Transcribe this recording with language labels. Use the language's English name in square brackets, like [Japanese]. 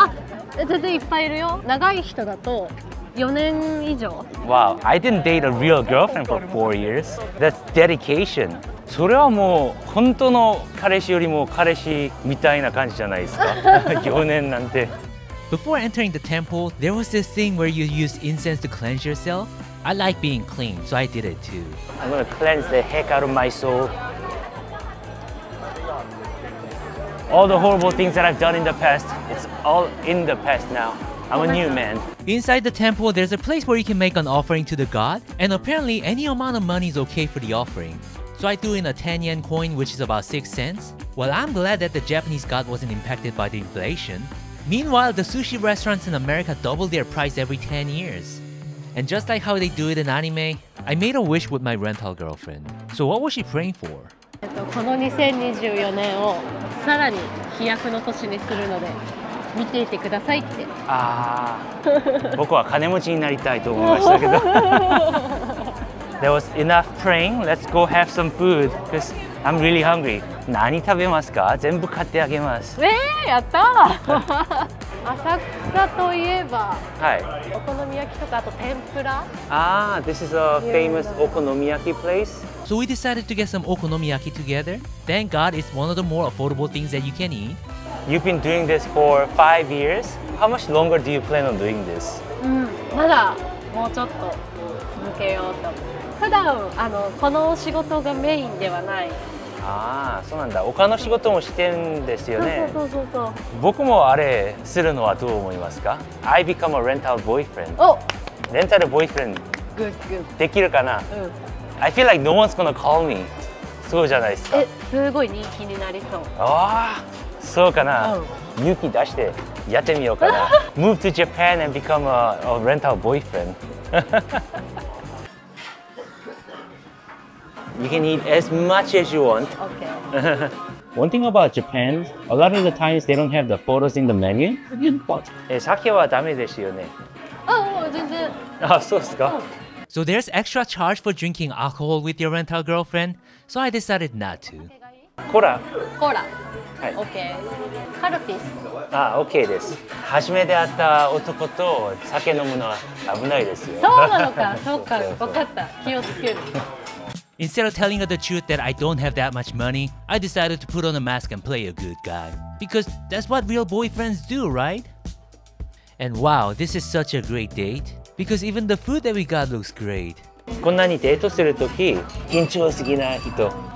[Japanese] 彼女もあるのかな。そうそうそうそう。ちょっとやってみたいかも。人と話すのが好きで。いいことはですね、それは。その月によって、デートの件数も変わるし、時間も全然変わるから、1回のデートで12時間ぐらいのデートもあれば。それはお金になりますね。ディズニーランドとか行くと、そうそう、12時間とか。誰だ、マサヤシソンか。お客さんが普通は戻るんですか?あ、全然いっぱいいるよ。長い人だと 4年以上。 [English] Wow, I didn't date a real girlfriend for 4 years. That's dedication. [Japanese] それはもう本当の彼氏よりも彼氏みたいな感じじゃないですか?4年なんて。 [English] Before entering the temple, there was this thing where you use incense to cleanse yourself. I like being clean, so I did it too. I'm gonna cleanse the heck out of my soul. All the horrible things that I've done in the past, it's all in the past now. I'm a new man. Inside the temple, there's a place where you can make an offering to the god, and apparently any amount of money is okay for the offering. So I threw in a 10 yen coin, which is about 6 cents. Well, I'm glad that the Japanese god wasn't impacted by the inflation. Meanwhile, the sushi restaurants in America double their price every 10 years. And just like how they do it in anime, I made a wish with my rental girlfriend. So what was she praying for? [Japanese] この2024年をさらに飛躍の年にするので見ていてくださいって。ああ、僕は金持ちになりたいと思いましたけど。 [English] There was enough praying. Let's go have some food because I'm really hungry. [Japanese] 何食べますか？全部買ってあげます。やった！浅草といえば、はい、お好み焼きとかあと天ぷら。 [English] ああ、This is a famous okonomiyaki place. So we decided to get some okonomiyaki together. Thank God it's one of the more affordable things that you can eat. You've been doing this for 5 years. How much longer do you plan on doing this? [Japanese] まだもうちょっと続けようと。普段あのこの仕事がメインではない。ああ、そうなんだ。他の仕事もしてるんですよね。そう。僕もあれするのはどう思いますか ? [English] I become a rental boyfriend. [Japanese] おレンタルボーイフレンド。 [English] Good. [Japanese] できるかな、うん [English] I feel like no one's gonna call me. [Japanese] そうじゃないですか。すごい人気になりそう。ああ、そうかな。勇気出してやってみようかな。 [English] Move to Japan and become a rental boyfriend. You can eat as much as you want. Okay. One thing about Japan, a lot of the times they don't have the photos in the menu. [Japanese] Sake はダメですよね。ああ、全然。ああ、そうですか。 [English] So there's extra charge for drinking alcohol with your rental girlfriend, so I decided not to. Cola. Cola. Hi. Okay. Carpis. Ah, okay. This. [Japanese] 初めて会った男と酒飲むのは危ないですよ。そうなのか、そうか、わかった。気をつける。 [English] Instead of telling her the truth that I don't have that much money, I decided to put on a mask and play a good guy. Because that's what real boyfriends do, right? And wow, this is such a great date. Because even the food that we got looks great. [Japanese] こんなにデートするとき、緊張すぎな人。